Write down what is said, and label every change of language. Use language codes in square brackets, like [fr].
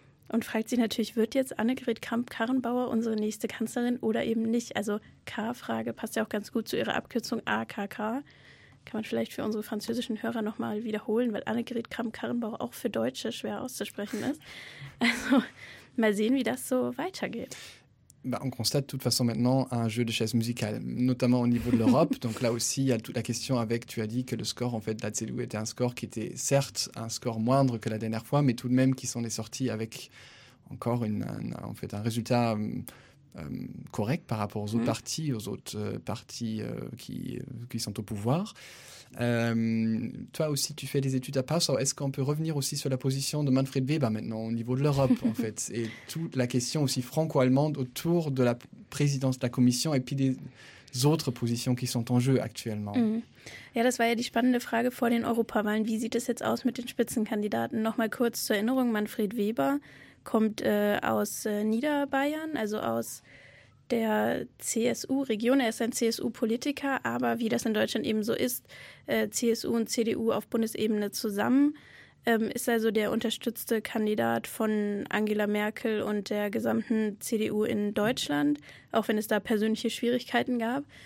[de] Und fragt sich natürlich, wird jetzt Annegret Kramp-Karrenbauer unsere nächste Kanzlerin oder eben nicht? Also K-Frage passt ja auch ganz gut zu ihrer Abkürzung AKK. Kann man vielleicht für unsere französischen Hörer nochmal wiederholen, weil Annegret Kramp-Karrenbauer auch für Deutsche schwer auszusprechen ist. Also mal sehen, wie das so weitergeht. [fr] Bah, on constate de toute façon maintenant un jeu de chaise musicale, notamment au niveau de l'Europe. Donc là aussi, il y a toute la question avec, tu as dit que le score en fait, de la CDU était un score qui était certes un score moindre que la dernière fois, mais tout de même qui s'en est sorti avec encore un résultat correct par rapport aux autres partis, aux autres partis qui sont au pouvoir. Toi aussi, tu fais des études à Passau. Est-ce qu'on peut revenir aussi sur la position de Manfred Weber maintenant au niveau de l'Europe, en fait, et toute la question aussi franco-allemande autour de la présidence de la Commission et puis des autres positions qui sont en jeu actuellement? [de] Ja, das war ja die spannende Frage vor den Europawahlen. Wie sieht es jetzt aus mit den Spitzenkandidaten? Nochmal kurz zur Erinnerung, Manfred Weber kommt aus Niederbayern, also aus der CSU-Region. Er ist ein CSU-Politiker, aber wie das in Deutschland eben so ist, CSU und CDU auf Bundesebene zusammen, ist also der unterstützte Kandidat von Angela Merkel und der gesamten CDU in Deutschland, auch wenn es da persönliche Schwierigkeiten gab.